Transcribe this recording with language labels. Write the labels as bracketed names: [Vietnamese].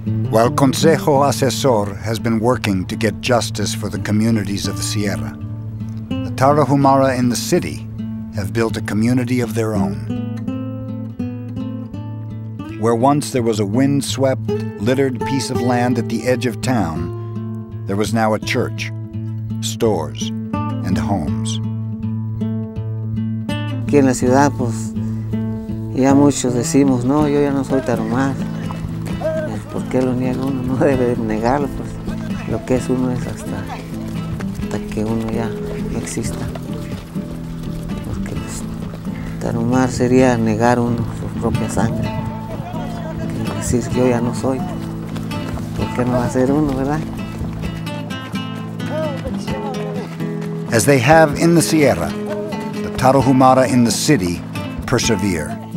[English] While Consejo Asesor has been working to get justice for the communities of the Sierra, the Tarahumara in the city have built a community of their own. Where once there was a windswept, littered piece of land at the edge of town, there was now a church, stores, and homes. [Spanish] Aquí en la ciudad, pues, ya muchos decimos, no, yo ya no soy tarahumara. ¿Por qué lo niega uno? No debe negarlo, pues. Lo que es uno es hasta que uno ya no exista. Porque pues, tarahumara sería negar uno su propia sangre. Si es que yo ya no soy, ¿por qué no va a ser uno, verdad? [English] As they have in the Sierra, the Tarahumara in the city persevere.